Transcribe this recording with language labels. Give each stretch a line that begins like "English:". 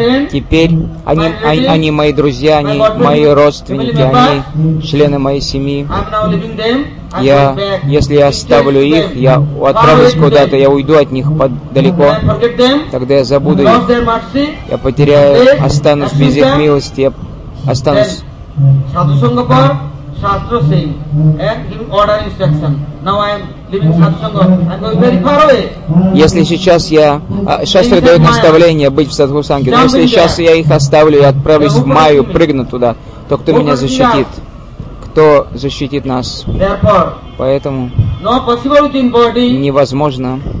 Russian: Теперь они мои друзья, они мои родственники, они члены моей семьи. Я, если я оставлю их, я отправлюсь куда-то, я уйду от них далеко, тогда я забуду их, я потеряю, останусь без их милости, я останусь.
English: Sadhu Sangha, Shastra saying, and giving order instruction. Now I am leaving Sadhu Sangha. I am going very far away.
Russian: Если сейчас я... Шастры дают наставление быть в Садху Сангхе. Но если сейчас я их оставлю и отправлюсь в Майю, прыгну туда, то кто меня защитит? Кто защитит нас? Поэтому невозможно...